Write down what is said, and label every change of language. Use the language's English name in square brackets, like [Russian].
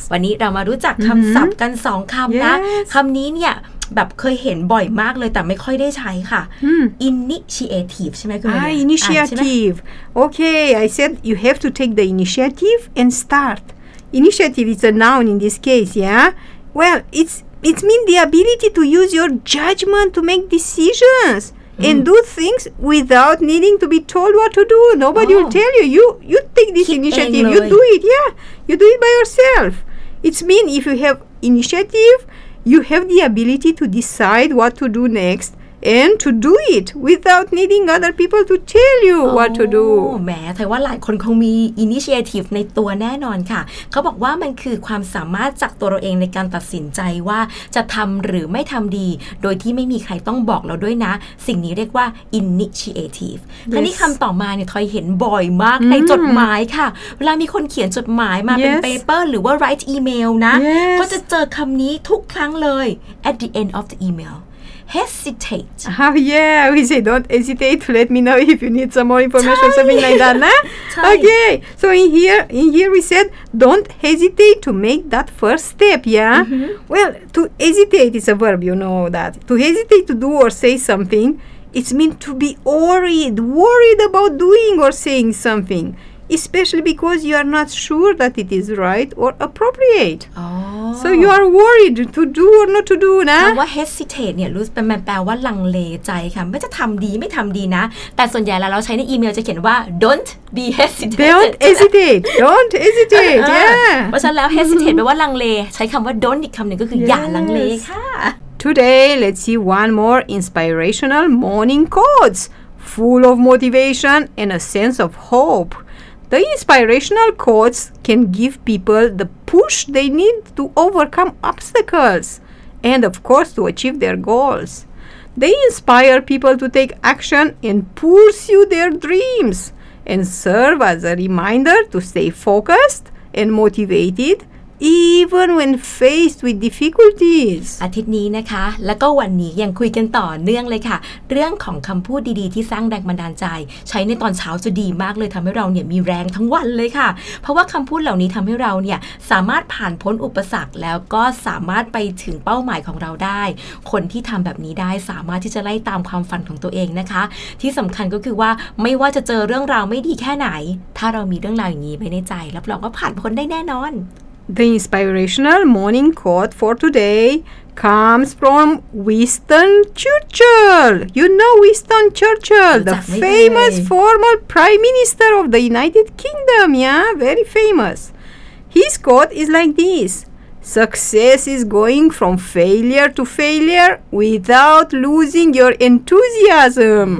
[Thai] วันนี้เรามารู้จักคำศัพท์กันสองคำ [English] yes. [Thai] นะคำนี้เนี่ยแบบเคยเห็นบ่อยมากเลยแต่ไม่ค่อยได้ใช้ค่ะ initiative ใช่ไหมคุณ [English] แม่ initiative okay I said you have to take the initiative and start initiative is a noun in this case yeah well it means the ability to use your judgment to make decisionsAnd do things without needing to be told what to do. Nobody will tell you. You take this initiative. You do it. Yeah. You do it by yourself. It means if you have initiative, you have the ability to decide what to do next and to do it without needing other people to tell you what to do. [Thai] แม้ไทยว่าหลายคนคงมี initiative ในตัวแน่นอนค่ะเขาบอกว่ามันคือความสามารถจากตัวเราเองในการตัดสินใจว่าจะทำหรือไม่ทำดีโดยที่ไม่มีใครต้องบอกเราด้วยนะสิ่งนี้เรียกว่า initiative ทีนี้คำต่อมาเนี่ยทอยเห็นบ่อยมากในจดหมายค่ะเวลามีคนเขียนจดหมายมาเป็น paper หรือว่า [English] write email [Thai] นะก็จะเจอคำนี้ทุกครั้งเลย [English] at the end of the emailHesitate. Oh yeah, we say don't hesitate. Let me know if you need some more information, something like that, nah? Okay. So in here we said don't hesitate to make that first step. Yeah. Mm-hmm. Well, to hesitate is a verb. You know that. To hesitate to do or say something, it's mean to be worried about doing or saying something, especially because you are not sure that it is right or appropriate. Oh. So you are worried to do or not to do นะ [Thai] คำว่า hesitate เนี่ยรู้เป็นแปลว่าลังเลใจค่ะไม่จะทำดีไม่ทำดีนะแต่ส่วนใหญ่แล้วเราใช้ในอีเมลจะเขียนว่า [English] don't be hesitate don't hesitate yeah [Thai] เพราะฉะนั้นแล้ว hesitate แปลว่าลังเลใช้คำว่า don't อีกคำหนึ่งก็คือ yes. อย่าลังเลค่ะ [English] Today let's see one more inspirational morning quotes full of motivation and a sense of hopeThe inspirational quotes can give people the push they need to overcome obstacles and, of course, to achieve their goals. They inspire people to take action and pursue their dreams and serve as a reminder to stay focused and motivated. Even when faced with difficulties [Thai] อาทิตย์นี้นะคะแล้วก็วันนี้ยังคุยกันต่อเนื่องเลยค่ะเรื่องของคำพูดดีๆที่สร้างแรงบันดาลใจใช้ในตอนเช้าจะดีมากเลยทำให้เราเนี่ยมีแรงทั้งวันเลยค่ะเพราะว่าคำพูดเหล่านี้ทำให้เราเนี่ยสามารถผ่านพ้นอุปสรรคแล้วก็สามารถไปถึงเป้าหมายของเราได้คนที่ทำแบบนี้ได้สามารถที่จะไล่ตามความฝันของตัวเองนะคะที่สำคัญก็คือว่าไม่ว่าจะเจอเรื่องราวไม่ดีแค่ไหนถ้าเรามีเรื่องราวอย่างนี้ไว้ในใจรับรองว่าผ่านพ้นได้แน่นอน [English] The inspirational morning quote for today comes from Winston Churchill. You know Winston Churchill, the famous former Prime Minister of the United Kingdom, yeah? Very famous. His quote is like this. Success is going from failure to failure without losing your enthusiasm.